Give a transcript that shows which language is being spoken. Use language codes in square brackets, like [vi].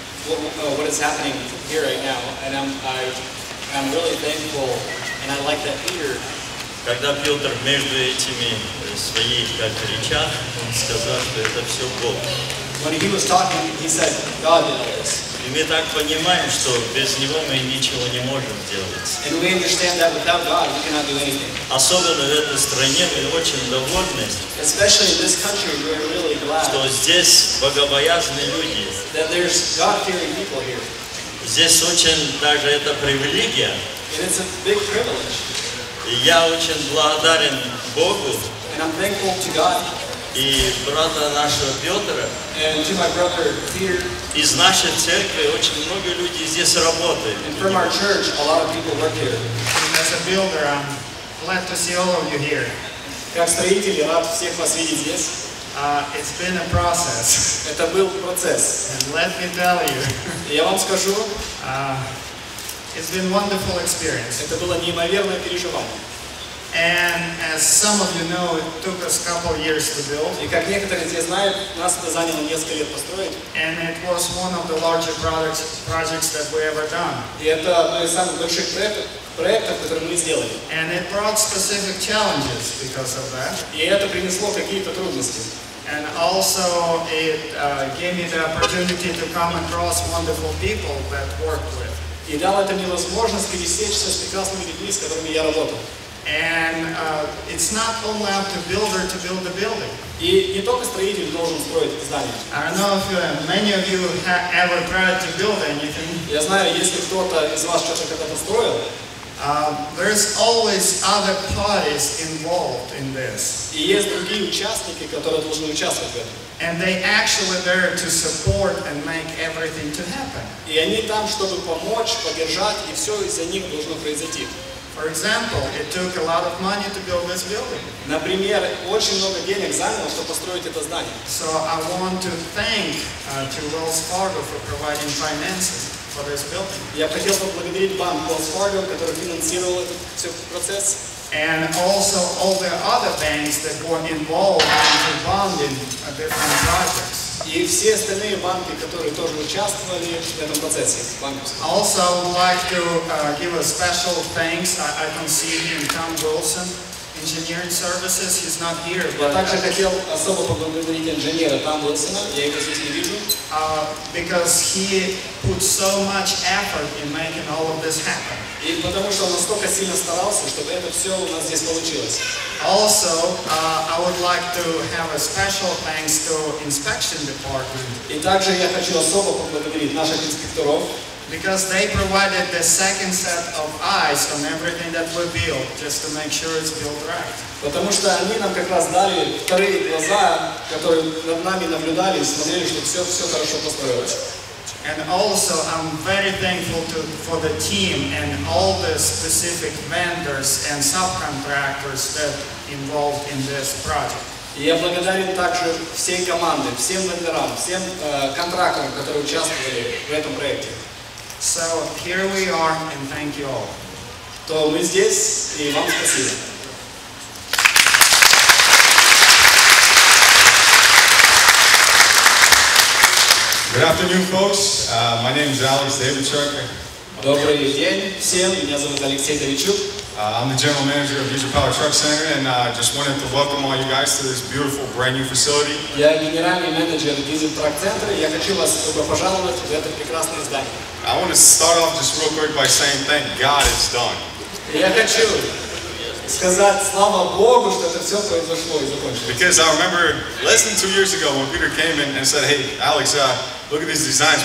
[en] What is happening here right now, and I'm really thankful, and I like that Peter. [ru] Когда Петр между этими своих как речах, он сказал, что это все Бог. [en] When he was talking, he said, God did this. [ru] И мы так понимаем, что без него мы ничего не можем делать. [en] And we understand that without God, we cannot do anything. [ru] Особенно в этой стране мы очень довольны. [en] Especially in this country, we are really glad. [ru] Что здесь богобоязные люди. [en] That there's God-fearing people here. [ru] Здесь очень даже это привилегия. [en] And it's a big privilege. [ru] И я очень благодарен Богу. [en] And I'm thankful to God. [ru] И брата нашего Петра. [en] And to my brother Peter. [ru] Из нашей церкви очень много людей здесь работают. [en] And from our church, a lot of people work here. And as a builder, I'm glad to see all of you here. [ru] Как строитель, рад всех вас видеть здесь. [en] It's been a process. [ru] Это был процесс. [en] And let me tell you. [ru] Я вам скажу. [en] It's been a wonderful experience. [ru] Это было неимоверное переживание. [en] And as some of you know, it took us a couple of years to build. [ru] И как некоторые из вас знают, нас это заняло несколько лет построить. [en] And it was one of the larger projects that we ever done. [ru] И это одно из самых больших проектов, которые мы сделали. [en] And it brought specific challenges because of that. [ru] И это принесло какие-то трудности. [en] And also it gave me the opportunity to come across wonderful people that worked with. [ru] И дало это мне возможность пересечься с прекрасными людьми, с которыми я работал. [en] And it's not only up to builder to build the building. [ru] И не только строитель должен строить здание. [en] I don't know if many of you have ever tried to build anything. [ru] Я знаю, если кто-то из вас что-то когда-то строил. [en] There's always other parties involved in this. [ru] И есть другие участники, которые должны участвовать в этом. [en] And they actually there to support and make everything to happen. [ru] И они там, чтобы помочь, поддержать, и все из-за них должно произойти. [en] For example, it took a lot of money to build this building. [ru] Например, очень много денег заняло, чтобы построить это здание. [en] So I want to thank to Wells Fargo for providing finances for this building. [ru] Я хотел поблагодарить банк Wells Fargo, который финансировал этот процесс. [en] And also all the other banks that were involved in funding different projects. [ru] И все остальные банки, которые тоже участвовали в этом процессе. [en] Also, I would like to give a special thanks. I don't see him, Tom Wilson, Engineering Services. He's not here. [ru] Я также хотел особо поблагодарить инженера Тома Уилсона. Я его здесь не вижу. [en] Because he put so much effort in making all of this happen. [ru] И потому что он настолько сильно старался, чтобы это все у нас здесь получилось. [en] Also, I would like to have a special thanks to inspection department. [ru] И также я хочу особо поблагодарить наших инспекторов. [en] Because they provided the second set of eyes on everything that we built, just to make sure it's built right. [ru] Потому что они нам как раз дали вторые глаза, которые над нами наблюдали и смотрели, что все хорошо построилось. [en] And also, I'm very thankful for the team and all the specific vendors and subcontractors that involved in this project. [ru] Я благодарен также всей команде, всем вендорам, всем контракторам, которые участвовали в этом проекте. [en] So here we are, and thank you all. [ru] То мы здесь, и вам спасибо. [en] Good afternoon, folks. My name is Alex Davidchuk. [ru] Добрый день всем. Меня зовут Алексей Давидчук. [en] I'm the general manager of Future Power Truck Center, and I just wanted to welcome all you guys to this beautiful, brand new facility. [ru] Я генеральный менеджер Future Power Truck Center. Я хочу вас пожаловать в это прекрасное здание. [en] I want to start off just real quick by saying, thank God it's done. [ru] Я хочу сказать слава Богу, что это все произошло и закончилось. [en] Because I remember less than 2 years ago when Peter came in and said, "Hey, Alex, look at these designs.